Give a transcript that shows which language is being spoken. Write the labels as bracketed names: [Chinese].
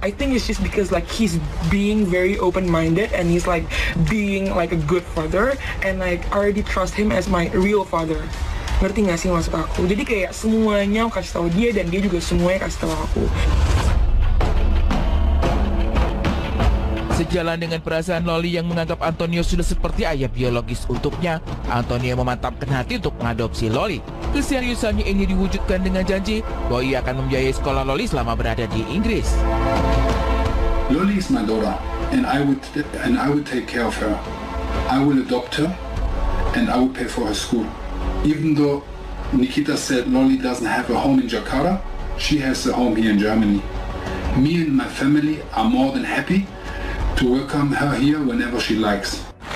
[English] I think it's just because like he's being very open-minded and he's like being like a good father, and like I already trust him as my real father. [Indonesian] Ngerti gak sih maksud aku? Jadi kayak semuanya aku kasih tau dia, dan dia juga semuanya kasih tau aku. Sejalan dengan perasaan Loli yang menganggap Antonio sudah seperti ayah biologis untuknya, Antonio memantapkan hati untuk mengadopsi Loli. Keseriusannya ini diwujudkan dengan janji bahwa ia akan membiayai sekolah Loli selama berada di Inggris. [English] Loli is my daughter, and I would take care of her. I will adopt her, and I will pay for her school. Even though Nikita said Loli doesn't have a home in Jakarta, she has a home here in Germany. Me and my family are more than happy to welcome her here whenever she likes.